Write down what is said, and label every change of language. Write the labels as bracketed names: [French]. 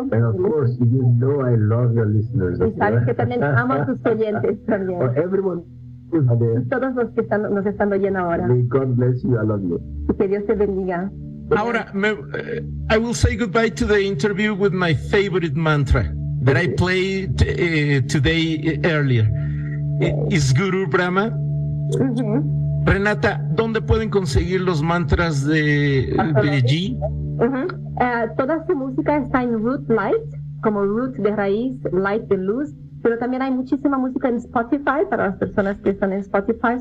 [English] And of course, you know I love your listeners. [Spanish] Y sabes que también amo a tus oyentes también. [English] For everyone. [Spanish] Todos los que están, nos están oyendo ahora. [English] May God bless you, I love you. [Spanish] Que Dios te bendiga. Ahora, [English] I will say goodbye to the interview with my favorite mantra that I played today earlier. Is Guru Brahma. Uh-huh. [Spanish] Renata, ¿dónde pueden conseguir los mantras de G? Uh-huh. Toda su música está en Root Light, como root de raíz, light de luz. Pero también hay muchísima música en Spotify para las personas que están en Spotify.